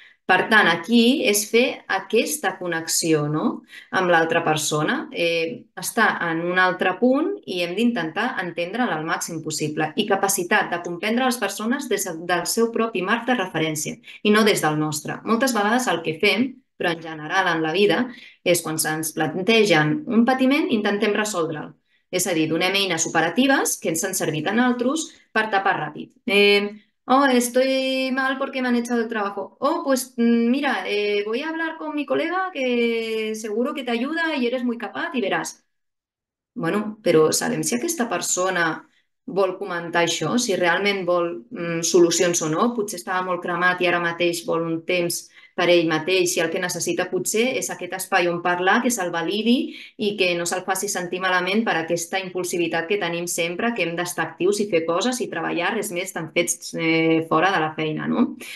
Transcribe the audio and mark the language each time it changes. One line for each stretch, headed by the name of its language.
Catalan: Per tant, aquí és fer aquesta connexió, no?, amb l'altra persona, estar en un altre punt i hem d'intentar entendre'l al màxim possible i capacitat de comprendre les persones des del seu propi marc de referència i no des del nostre. Moltes vegades el que fem, però en general en la vida, és quan se'ns plantegen un patiment, intentem resoldre'l. És a dir, donem eines operatives que ens han servit a nosaltres per tapar ràpid.
Spanish: Oh, estoy mal porque me han echado el trabajo. Oh, pues mira, voy a hablar con mi colega que seguro que te ayuda y eres muy capaz y verás.
Catalan: Bueno, però sabem si aquesta persona vol comentar això, si realment vol solucions o no. Potser estava molt cremat i ara mateix vol un temps per ell mateix i el que necessita potser és aquest espai on parlar, que se'l validi i que no se'l faci sentir malament per aquesta impulsivitat que tenim sempre, que hem d'estar actius i fer coses i treballar, res més, estan fets fora de la feina, no?